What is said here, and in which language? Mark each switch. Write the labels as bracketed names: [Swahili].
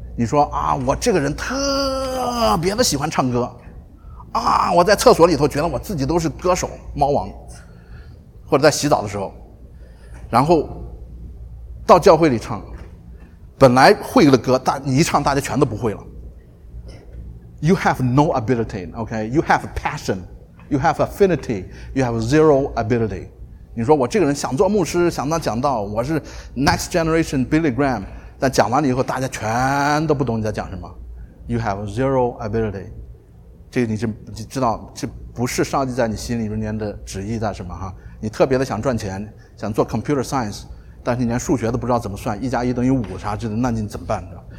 [Chinese] 你说啊，我这个人特别的喜欢唱歌啊，我在厕所里头觉得我自己都是歌手猫王，或者在洗澡的时候，然后到教会里唱，本来会的歌你一唱大家全都不会了。 [English] You have no ability， OK， You have passion， You have affinity， You have zero ability。 [Chinese] 你说我这个人想做牧师，想当讲道，我是 [English] next generation [Chinese] Billy Graham， 但讲完了以后大家全都不懂你在讲什么。 [English] You have zero ability， [Chinese] 这个你知道这不是上帝在你心里面的旨意在什么哈？你特别的想赚钱，想做 computer science， 但是你连数学都不知道怎么算，一加一等于五啥之类的，那你怎么办呢？